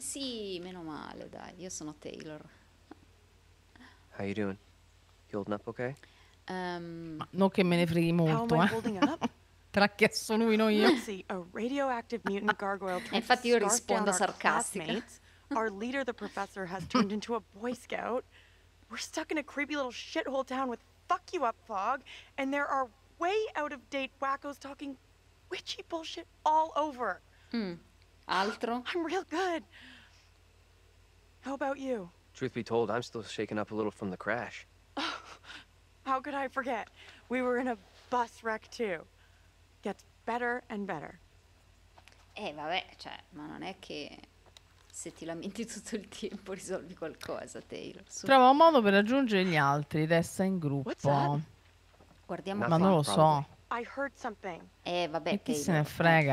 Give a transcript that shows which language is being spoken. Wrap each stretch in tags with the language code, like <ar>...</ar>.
<it>Sì, meno male, dai. Io sono Taylor.</it> <en>How you doing? You holding up okay?</en> <it>Non che me ne freghi molto, eh. Tra che sono io.</it> <en>A radioactive mutant gargoyle.</en> <it>E infatti io rispondo sarcastica.</it> <en>Our leader, the professor, has turned into a boy scout. We're stuck in a creepy little shithole town with fuck you up fog, and there are way out of date wackos talking witchy bullshit all over.</en> <it>Altro?</it> <en>I'm real good. How about you? Truth be told, I'm still shaken up a little from the crash. Oh, how could I forget? We were in a bus wreck too. Gets better and better.</en> <it>Vabbè, cioè, ma non è che se ti lamenti tutto il tempo risolvi qualcosa, Taylor. Su. Trova un modo per raggiungere gli altri, resta in gruppo. Guardiamo. Ma non lo so.</it> <en>I heard something. Vabbè,</en> <it>e chi se ne frega?</it>